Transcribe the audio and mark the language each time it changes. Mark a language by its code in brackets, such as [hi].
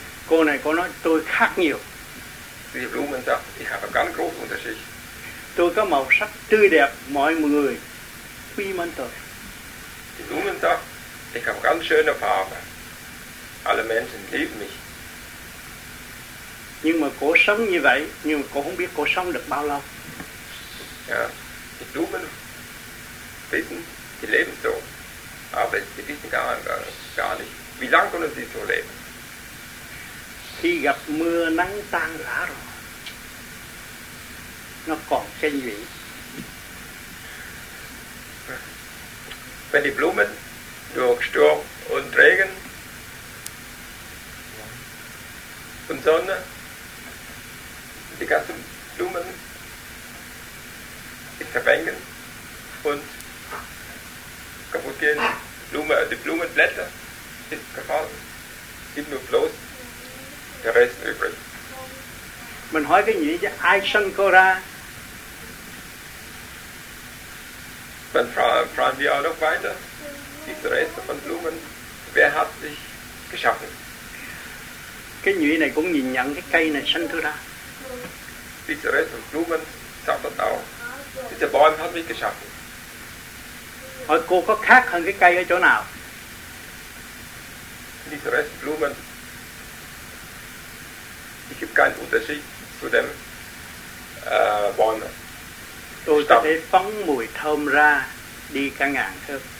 [vi] cô này có nói tôi khác nhiều. [de] Die Blumen sagt, ich habe ganz großen Unterschied. [vi] Tôi có màu sắc tươi đẹp, mọi người quý mến tôi. [de] Die Blumen sagt, ich habe ganz schöne Farbe. Alle Menschen lieben mich. [vi] Nhưng mà cô sống như vậy, nhưng mà cô không biết cô sống được bao lâu. [de] Ja, die Blumen wissen, sie leben so. Aber sie wissen gar nicht, wie lange können sie so leben. [vi] Khi gặp mưa nắng tan lá rồi, nó còn xanh vĩ. [de] Wenn die Blumen durch Sturm und Regen und Sonne, die ganzen Blumen sich verfängen und kaputt gehen, die Blumenblätter sind gefallen, sind nur bloß der Rest übrig. [vi] Mình hỏi cái gì chứ, ai sinh cô ra? [de] Dann fragen wir auch noch weiter, diese Reste von Blumen, wer hat sich geschaffen? [vi] Cái nhụy này cũng nhìn nhận cái cây này sinh ra. [de] Diese Reste von Blumen sagt das auch, diese Bäume hat mich geschaffen. [vi] Hỏi cô có khác hơn cái cây ở chỗ nào? [de] Diese Reste von Blumen, ich habe keinen Unterschied zu dem Bäumen. [vi] Tôi có thể phóng mùi thơm ra đi cả ngàn thước.